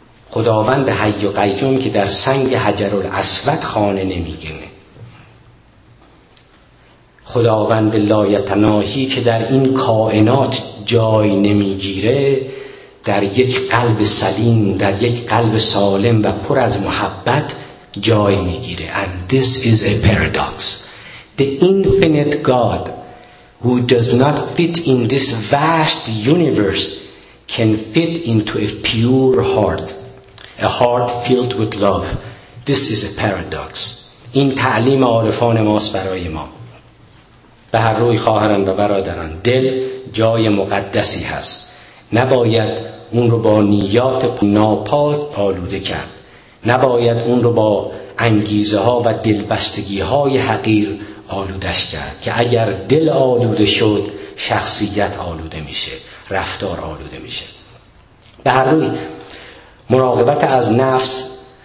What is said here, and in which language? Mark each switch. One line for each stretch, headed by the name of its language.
Persian: خداوند حی و قیوم که در سنگ حجرالاسود خانه نمیگنه، خداوند لایتناهی که در این کائنات جای نمیگیره، در یک قلب سلیم، در یک قلب سالم و پر از محبت جای میگیره.
English: And this is a paradox. The infinite God who does not fit in this vast universe can fit into a pure heart, a heart filled with love. This is a paradox.
Persian: این تعلیم عارفان ماست برای ما. به هر روی خواهران و برادران، دل جای مقدسی هست، نباید اون رو با نیات ناپاک آلوده کرد، نباید اون رو با انگیزه ها و دلبستگی های حقیر آلودش کرد، که اگر دل آلوده شد شخصیت آلوده میشه، رفتار آلوده میشه. به هر روی مراقبت از نفس